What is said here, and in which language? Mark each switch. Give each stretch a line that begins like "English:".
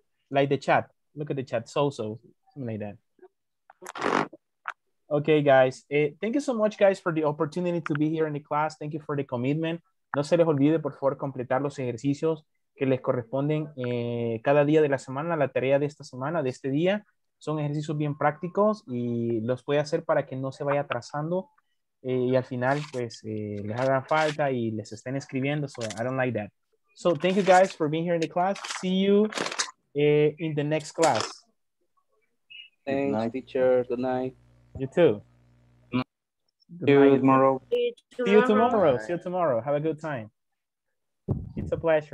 English: Like the chat, look at the chat, so-so, something like that. Okay, guys. Thank you so much, guys, for the opportunity to be here in the class. Thank you for the commitment.
Spanish: No se les olvide, por favor, completar los ejercicios que les corresponden cada día de la semana, la tarea de esta semana, de este día. Son ejercicios bien prácticos y los puede hacer para que no se vaya atrasando y al final, pues, les haga falta y les estén escribiendo.
English: So, I don't like that. So, thank you, guys, for being here in the class. See you in the next class. Thanks, teacher. Good night. You too. See you tomorrow. See you tomorrow. See you tomorrow. Have a good time. It's a pleasure.